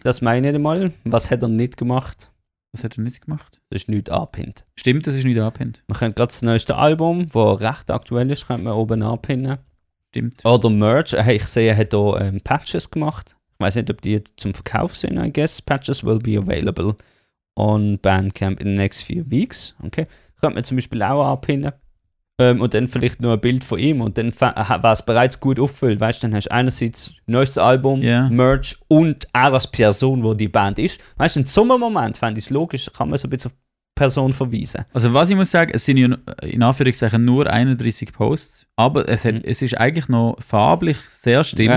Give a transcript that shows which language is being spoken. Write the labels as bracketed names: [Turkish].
[German] Das meine ich mal. Was hat er nicht gemacht? Was hat er nicht gemacht? Das ist nichts anpinnt. Stimmt, das ist nichts anpinnt. Man könnte gerade das neueste Album, das recht aktuell ist, könnte man oben anpinnen. Stimmt. Oder Merch. Hey, ich sehe, er hat hier Patches gemacht. Ich weiß nicht, ob die zum Verkauf sind, [English] I guess. Patches will be available on Bandcamp in the next few weeks. [German] Okay. Könnte man zum Beispiel auch anpinnen. Und dann vielleicht nur ein Bild von ihm und dann war es bereits gut aufgefüllt. Weißt du, dann hast du einerseits neuestes Album, Merch und auch als Person, wo die Band ist. Weißt du, in so einem Moment fände ich es logisch, kann man so ein bisschen auf Person verweisen. Also, was ich muss sagen, es sind ja in Anführungszeichen nur 31 Posts, aber es ist eigentlich noch farblich sehr stimmig. Ja,